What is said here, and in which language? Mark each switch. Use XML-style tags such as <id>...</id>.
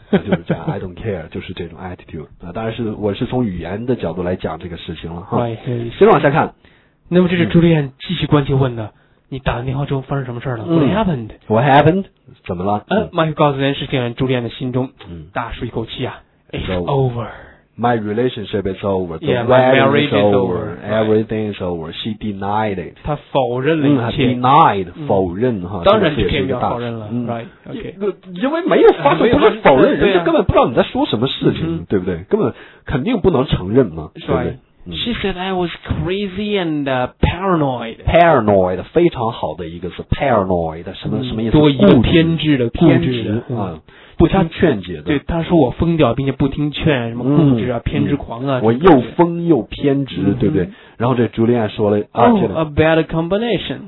<zh>就是这样。</zh> <en>I don't care，</en> <zh>就是这种 attitude。当然是我是从语言的角度来讲这个事情了哈。接着往下看。那么这是朱莉安继续关切问的。你打了电话之后发生什么事了、嗯、</zh> <en>What happened? What happened?</en> <zh>怎么了、 Michael 告诉这件事情朱莉安的心中、嗯、大舒一口气啊</zh> <en>It's so, over My relationship is over The wedding yeah, is over、 right. Everything is over She denied it</en> <zh>她否认了一切、嗯、Denied 否认、嗯哈当然这个、是一个大否认了、嗯</zh> <en>right, okay.</en> <zh>因为没有发生不是否认、人家根本不知道你在说什么事情、嗯、对不对根本肯定不能承认嘛、</zh> <en>right.</en> <zh>对不对</zh> <en>She said I was crazy and paranoid.</en> <zh>Paranoid 非常好的一个字 ，paranoid 什么、嗯、什么意思？多疑、偏执的偏执啊、嗯，不听劝解的。对，他说我疯掉，并且不听劝，什么固执啊、嗯、偏执狂啊、嗯。我又疯又偏执，嗯、对不对？然后这朱莉安说了、</zh> <en>oh, ，A bad combination。</en>